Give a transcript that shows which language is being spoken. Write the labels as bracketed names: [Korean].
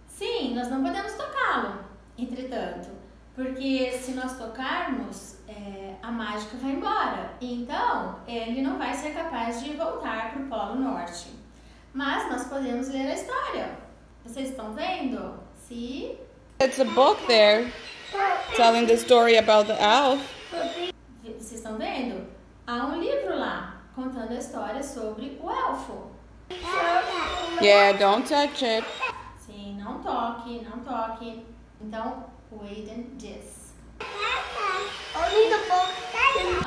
[Portuguese] Sim, nós não podemos tocá-lo, entretanto. Porque se nós tocarmos, a mágica vai embora. Então, ele não vai ser capaz de voltar para o Polo Norte. Mas nós podemos ler a história. Vocês estão vendo? Sim? [English] It's a book there, telling the story about the elf. [Portuguese] Vocês estão vendo? Há um livro lá, contando a história sobre o elfo. [English] Yeah, don't touch it. [Portuguese] Sim, não toque, não toque. Então, [English] wait and this. Only the book.